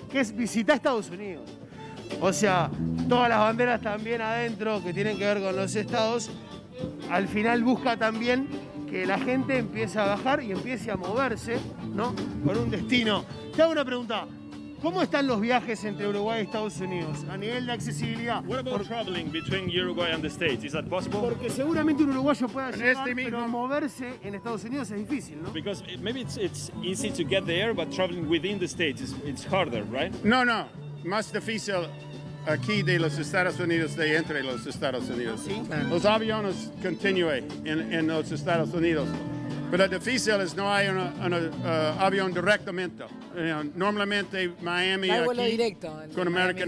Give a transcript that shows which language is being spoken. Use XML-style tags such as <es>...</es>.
<es>Que es visitar Estados Unidos. O sea, todas las banderas también adentro que tienen que ver con los estados. Al final busca también que la gente empiece a bajar y empiece a moverse, ¿no?, con un destino. Te hago una pregunta. ¿Cómo están los viajes entre Uruguay y Estados Unidos a nivel de accesibilidad?</es> <en>What about traveling between Uruguay and the States? Is that possible?</en> <es>Porque seguramente un uruguayo pueda llegar, pero moverse en Estados Unidos es difícil, ¿no?</es> <en>Because maybe it's easy to get there, but traveling within the States it's harder, right?</en> <es>No. Más difícil. Aquí de los Estados Unidos, de entre los Estados Unidos. Sí. Los aviones continúan en los Estados Unidos. Pero difícil es no hay un avión directamente. Normalmente Miami hay aquí directo, con American</es>